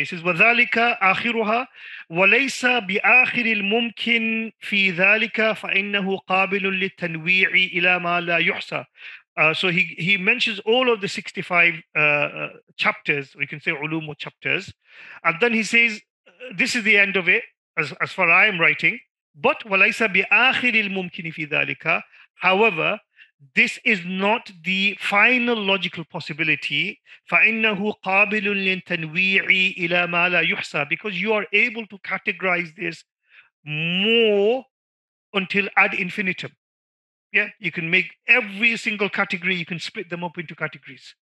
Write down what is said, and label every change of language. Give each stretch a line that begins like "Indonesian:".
English: He says,
Arabic: وَذَلِكَ آخِرُهَا وَلَيْسَ بِآخِرِ الْمُمْكِنِ فِي ذَلِكَ فَإِنَّهُ قَابِلٌ لِلتَّنْوِيعِ إِلَى مَا لَا يُحْسَى.
English: So he mentions all of the 65 chapters, we can say Ulum or chapters. And then he says, this is the end of it, as far as I am writing.
Arabic: But وَلَيْسَ بِآخِرِ الْمُمْكِنِ فِي ذَلِكَ.
English: However, this is not the final logical possibility.
Arabic: فَإِنَّهُ قَابِلٌ لِلتَّنْوِيعِ إِلَى مَا لَا يُحْسَى.
English: Because you are able to categorize this more until ad infinitum. Yeah, you can make every single category, you can split them up into categories.